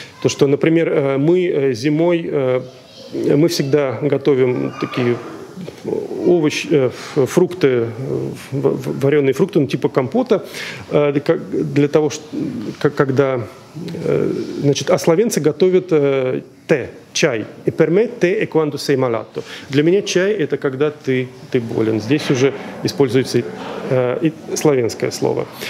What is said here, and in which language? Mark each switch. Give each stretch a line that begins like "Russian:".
Russian: То, что, например, мы зимой, мы всегда готовим такие овощи, фрукты, вареные фрукты, ну, типа компота, для того, что, когда, значит, а словенцы готовят те, чай.
Italian: И per me te e quando sei malato.
Russian: Для меня чай – это когда ты болен. Здесь уже используется и словенское слово.